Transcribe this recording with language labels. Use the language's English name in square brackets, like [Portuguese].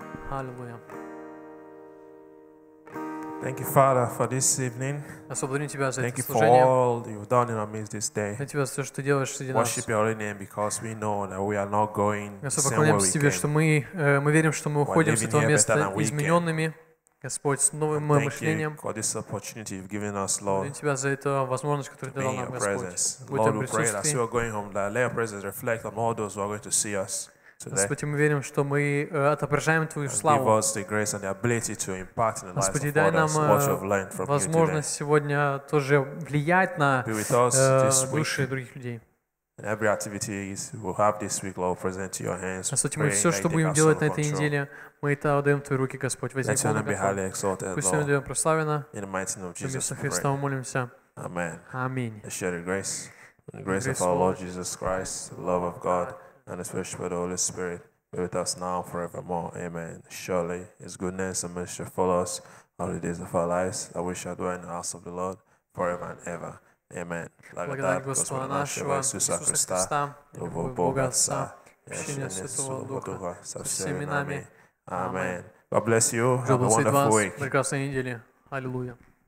[English] Hallelujah. Thank you, Father, for this evening. Thank you for all you've done in our midst this day. Worship your holy name because we know that we are not going the same way we came. We're living here better than we came. [Russian] Господь, с новым мышлением. Благодарим Тебя за эту возможность, которую Ты дал нам, Господь. Господи, мы верим, что мы отображаем Твою славу. Господи, дай нам возможность сегодня тоже влиять на души других людей. [English] And every activity we'll have this week, Lord, present to your hands. [Russian] Господи, мы все, что будем делать на этой неделе, мы это отдаем в Твои руки, Господь. Возьми Твою благодать. Пусть Твоя имя прославлено. [English] In the mighty name of Jesus, [Russian] Иисуса Христа, мы молимся. Amen. Аминь. [English] Let's share the grace. The grace of our Lord Jesus Christ, the love of God, and His fellowship with the Holy Spirit be with us now forevermore. Amen. Surely His goodness and mercy follow us all the days of our lives, that we shall dwell in the house of the Lord forever and ever. Amen. [Russian] Благодать Господа нашего Иисуса Христа, любовь Бога Отца, общение Святого Духа со всеми нами. Аминь. [English] God bless you. Have a wonderful week. [Russian] Прекрасной недели. Аллилуйя.